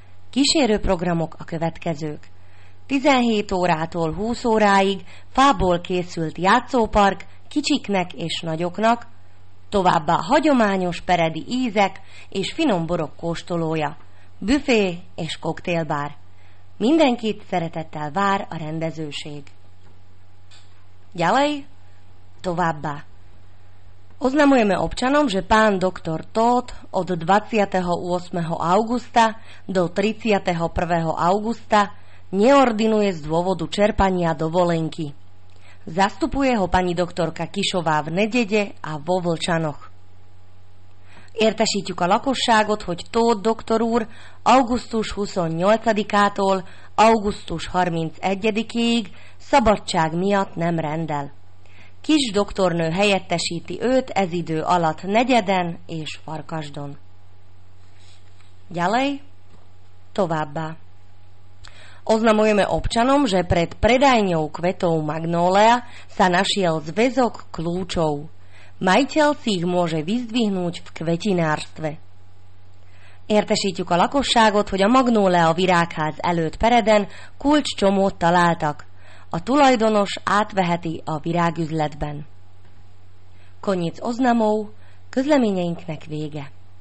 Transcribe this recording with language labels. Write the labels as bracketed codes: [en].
[hu] Kísérő programok a következők. 17 órától 20 óráig fából készült játszópark kicsiknek és nagyoknak, továbbá hagyományos peredi ízek és finom borok kóstolója, büfé és koktélbár. Mindenkit szeretettel vár a rendezőség. [sk] Ďalej, [hu] továbbá. [sk] Oznamujeme občanom, že pán doktor Tóth od 28. augusta do 31. augusta neordinuje z dôvodu čerpania dovolenky. Zastupuje ho pani doktorka Kisová v Nedede a vo Vlčanoch. [hu] Értesítjük a lakosságot, hogy Tóth doktor úr augusztus 28-ától augusztus 31-ig szabadság miatt nem rendel. Kis doktornő helyettesíti őt ez idő alatt Negyeden és Farkasdon. [sk] Ďalej, [hu] továbbá. [sk] Oznamujeme občanom, že pred predajňou kvetov Magnólia sa našiel zväzok kľúčov. Majiteľ si ich môže vyzdvihnúť v kvetinárstve. [hu] Értesítjük a lakosságot, hogy a Magnólia virágház előtt Pereden kulcscsomót találtak. A tulajdonos átveheti a virágüzletben. [sk] Koniec oznamov, [hu] közleményeinknek vége.